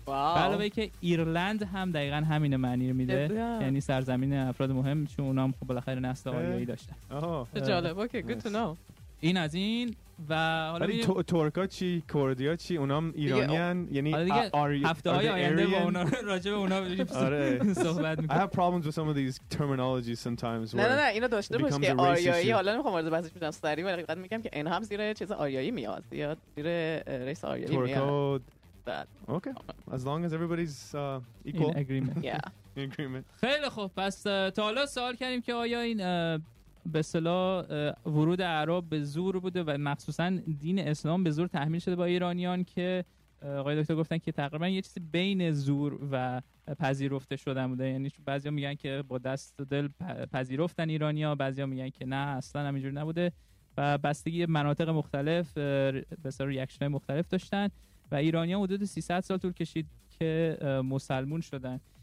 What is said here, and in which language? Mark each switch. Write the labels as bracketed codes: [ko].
[fa] علاوه که ایرلند هم دقیقا همین معنی رو میده، یعنی سرزمین افراد مهم، چون اونا هم خب بالاخره نسل آریایی داشتن. جالب، اوکی، [en] Good to know. [fa] این از این. و حالا ببین ترکا چی، کردیا چی، اونا هم ایرانیان، یعنی هفته های آینده با اونا راجع به اونا صحبت میکنم. [en] I have problems with some of these terminologies sometimes. [fa] نه نه نه، اینو داشته باش که آریایی، حالا میخوام وارد بحثش بشم سریع، ولی فقط میگم که این هم زیر چیز آریایی میاد، یا زیر ریس آریایی میاد. ترکا اوکی، [en] as long as everybody's equal in agreement. Yeah, in agreement. [fa] خیلی خوب، پس تا حالا سوال کردیم که آیا این به اصطلاح ورود اعراب به زور بوده و مخصوصا دین اسلام به زور تحمیل شده با ایرانیان، که آقای دکتر گفتن که تقریبا یه چیزی بین زور و پذیرفته شدن بوده، یعنی بعضیا میگن که با دست و دل پذیرفتن ایرانیا، بعضیا میگن که نه اصلا همینجور نبوده و بستگی مناطق مختلف به اصطلاح ریاکشن‌های مختلف داشتن و ایرانیا حدود 300 سال طول کشید که مسلمان شدن.